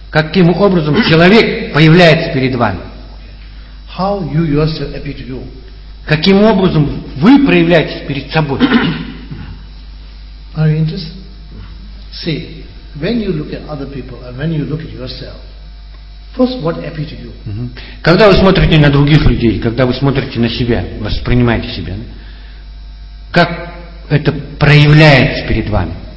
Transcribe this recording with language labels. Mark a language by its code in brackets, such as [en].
[ru] Каким образом человек появляется перед вами? [en] How you yourself appear to you? [ru] Каким образом вы проявляетесь перед собой? [en] Are you interested? See, when you look at other people and when you look at yourself, first what appears to you? [ru] Когда вы смотрите на других людей, когда вы смотрите на себя, воспринимаете себя, как это проявляется перед вами?